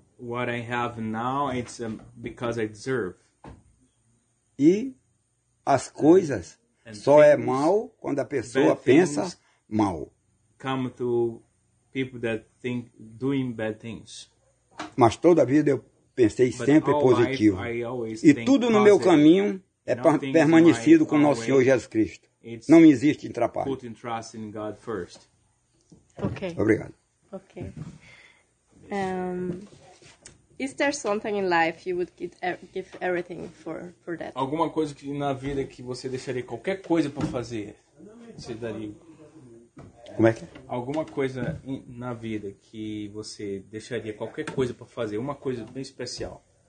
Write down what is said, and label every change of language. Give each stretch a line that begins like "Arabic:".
English: What I have now, it's because I deserve.
Portuguese: E as coisas só é mal quando a pessoa pensa mal.
English: Come to people that think doing bad things.
Portuguese: Mas toda a vida eu pensei sempre positivo. E tudo no meu caminho é permanecido com Nosso Senhor Jesus Cristo. Não existe atrapalho.
English: Put trust in God first. Okay.
Portuguese: Obrigado.
English: Okay. Is there something in life you would give everything for that?
Portuguese: Alguma coisa que na vida que você deixaria qualquer coisa para fazer? Você daria... Como é que é? Alguma coisa na vida que você deixaria qualquer coisa para fazer, uma coisa bem especial.